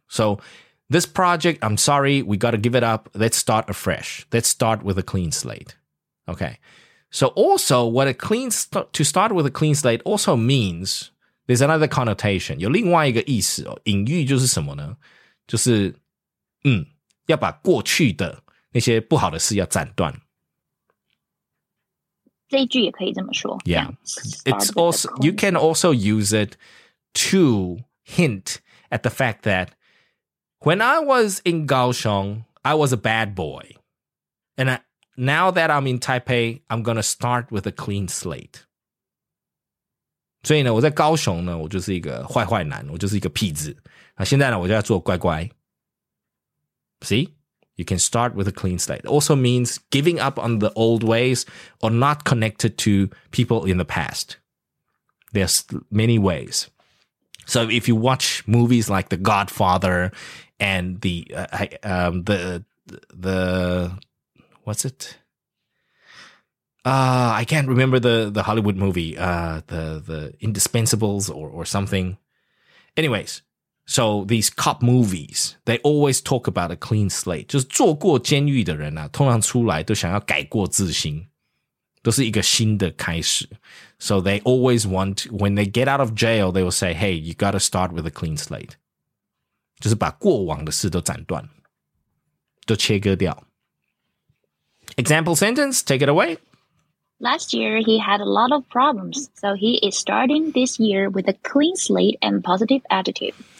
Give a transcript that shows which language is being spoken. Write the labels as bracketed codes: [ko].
[en] So this project, I'm sorry, we got to give it up. Let's start afresh. Let's start with a clean slate. Okay. So also, what a clean to start with a clean slate also means. There's another connotation. [zh] 有另外一个意思、哦、隐喻就是什么呢？就是要把过去的那些不好的事要斩断。这一句也可以这么说。 [en] Yeah. It's also, you can also use it to hint at the fact that when I was in Kaohsiung, I was a bad boy. And now that I'm in Taipei, I'm going to start with a clean slate. [zh] 所以呢，我在高雄呢，我就是一个坏坏男，我就是一个痞子。那现在呢，我就要做乖乖。 [en] See, you can start with a clean slate. Also means giving up on the old ways or not connected to people in the past. There's many ways. So if you watch movies like The Godfather and I can't remember the Hollywood movie, the Indispensables or something. Anyways, so these cop movies, they always talk about a clean slate. [zh] 就是做过监狱的人啊，通常出来都想要改过自新，都是一个新的开始。 [en] So they always want, when they get out of jail, they will say, hey, you got to start with a clean slate. [zh] 就是把过往的事都斩断，都切割掉。 [en] Example sentence, take it away. Last year, he had a lot of problems, so he is starting this year with a clean slate and positive attitude.